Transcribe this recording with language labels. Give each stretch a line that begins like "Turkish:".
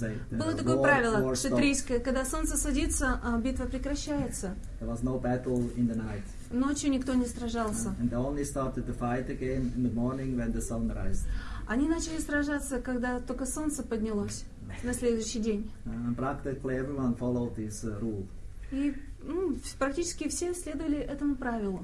Russian: было такое правило кшатрийское, когда солнце садится, битва прекращается.
English: There was no battle in the night.
Russian: Ночью никто не сражался.
English: And they only started to fight again in the morning when the sun rose.
Russian: Они начали сражаться, когда только солнце поднялось на следующий день.
English: And practically everyone followed this rule.
Russian: И практически все следовали этому правилу.